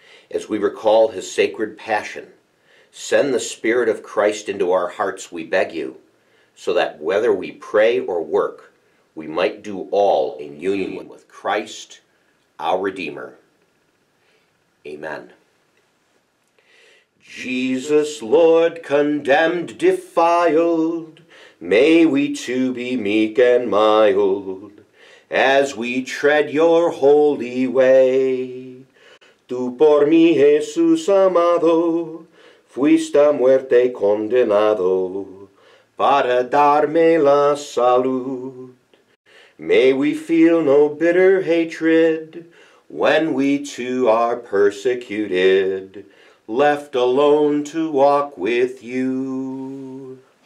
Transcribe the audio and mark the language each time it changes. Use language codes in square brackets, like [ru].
[en] As we recall his sacred passion, send the Spirit of Christ into our hearts, we beg you, so that whether we pray or work, we might do all in union with Christ, our Redeemer. Amen. Jesus, Lord, condemned, defiled, may we too be meek and mild as we tread your holy way. [es] Tu por mi, Jesús amado, fuiste a muerte condenado para darme la salud. [en] May we feel no bitter hatred when we too are persecuted, left alone to walk with you.